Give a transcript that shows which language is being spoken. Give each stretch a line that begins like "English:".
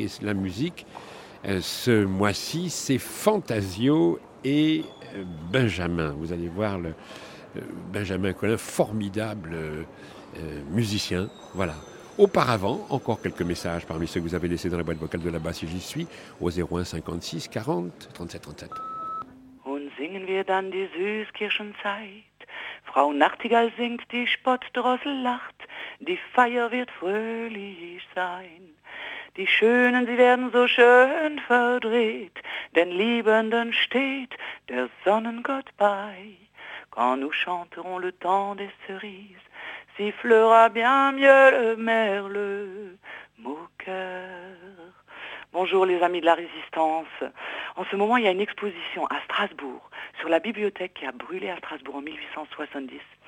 French: Et la musique, ce mois-ci, c'est Fantasio et Benjamin. Vous allez voir le Benjamin Collin, formidable musicien. Voilà. Auparavant, encore quelques messages parmi ceux que vous avez laissés dans la boîte vocale de là-bas, si j'y suis, au 01 56 40 37 37.
German: Und singen wir dann die Süßkirschenzeit. Frau Nachtigall singt, die Spottdrossel lacht, die Feier wird fröhlich sein. Die Schönen, sie werden so schön verdreht, den Liebenden steht der Sonnengott bei.
French: Quand nous chanterons le temps des cerises, sifflera bien mieux le merle moqueur. Bonjour les amis de la Résistance. En ce moment, il y a une exposition à Strasbourg sur la bibliothèque qui a brûlé à Strasbourg en 1870.